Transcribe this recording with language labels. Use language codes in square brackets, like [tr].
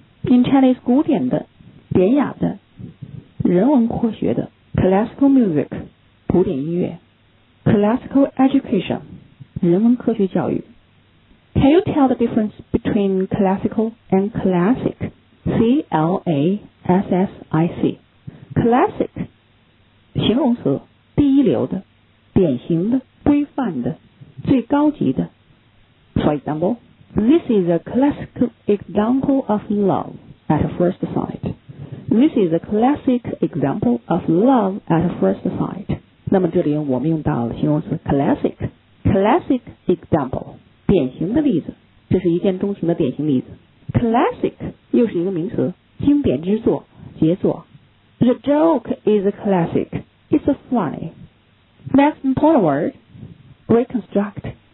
[en] in Chinese, [zh] 古典的、典雅的、人文科学的。 [en] Classical music, [zh] 古典音乐。 [en] Classical education, [zh] 人文科学教育。 [en] Can you tell the difference between classical and classic? C-L-A-S-S-I-C. Classic, [zh] 形容词，第一流的，典型的，规范的，最高级的。 [en] For example, this is a classic example of love at first sight. This is a classic example of love at first sight. [zh] 那么这里我们用到了形容词 classic. [en] Classic example, [zh] 典型的例子，这是一见钟情的典型例子。 [en] Classic, [zh] 又是一个名词，经典之作，杰作。 [en] The joke is a classic. It's funny. Next important word, reconstruct.